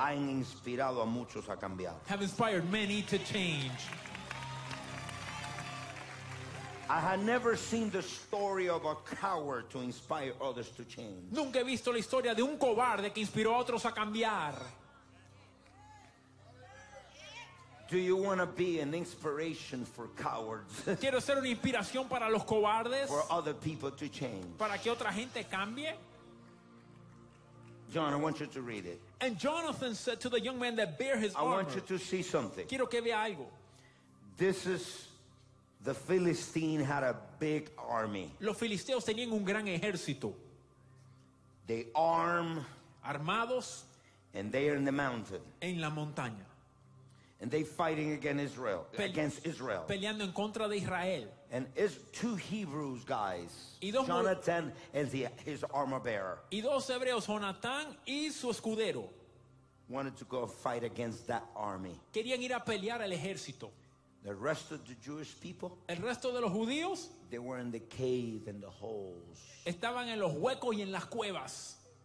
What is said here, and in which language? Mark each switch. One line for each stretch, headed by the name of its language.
Spanish: Han inspirado a muchos a cambiar.
English: Have inspired many to change. I had never seen the story of a coward to inspire others to change.
Spanish: Nunca he visto la historia de un cobarde que inspiró a otros a cambiar.
English: Do you want to be an inspiration for cowards?
Spanish: Quiero ser una inspiración para los cobardes.
English: For other people to change.
Spanish: Para que otra gente cambie.
English: John, I want you to read it. And Jonathan said to the young man that bear his armor. I want you to see something.
Spanish: Quiero que vea algo.
English: This is the Philistine had a big army.
Spanish: Los filisteos tenían un gran ejército.
English: They arm.
Spanish: Armados.
English: And they are in the mountain.
Spanish: En la montaña.
English: And they fighting against Israel. Against Israel.
Spanish: Peleando en contra de Israel.
English: And it's two Hebrews guys.
Spanish: Y dos
English: Jonathan and his armor bearer.
Spanish: Y dos hebreos, Jonathan y su escudero.
English: Wanted to go fight against that army.
Spanish: Querían ir a pelear al ejército.
English: The rest of the Jewish people.
Spanish: El resto de los judíos.
English: They were in the cave and the holes.
Spanish: Estaban en los huecos y en las cuevas.